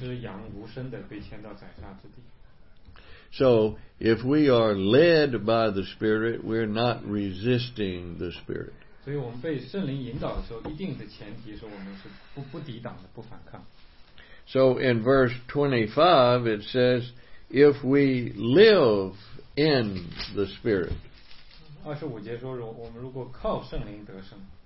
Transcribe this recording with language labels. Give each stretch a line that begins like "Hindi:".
Chinese: 所以耶稣就，他把自己交给神，他没有抵挡啊，像一只羊无声的被牵到宰杀之地。
English: So, if we are led by the Spirit, we're not resisting the Spirit.
Chinese: 所以我们被圣灵引导的时候，一定的前提是我们是不抵挡的，不反抗。
English: So, in verse 25, it says, if we live in the Spirit.
Chinese: 25节说，我们如果靠圣灵得胜。